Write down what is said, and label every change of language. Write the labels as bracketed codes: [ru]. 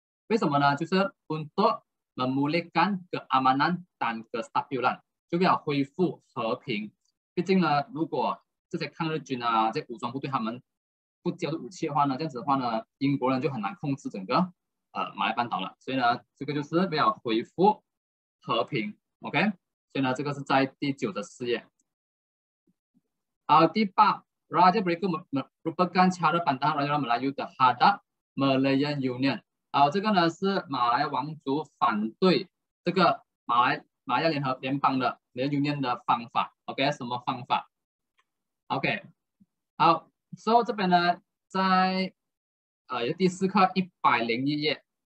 [zh] 为什么呢？就是 [ms] untuk memulihkan keamanan dan kestabilan， [zh] 就为了恢复和平。毕竟呢，如果这些抗日军啊，这武装部队他们不加入武器的话呢，这样子的话呢，英国人就很难控制整个马来半岛了。所以呢，这个就是为了恢复和平。 OK，所以呢，这个是在第九的事业。 [ms] 好，第八，Raja berikut merupakan cara bantahan Raja Melayu terhadap Malayan Union。 [zh] 好，这个呢是马来王族反对这个马来联合联邦的联 Union 的方法。 OK，什么方法？OK，好，所、so, 以这边呢，在第四课101页。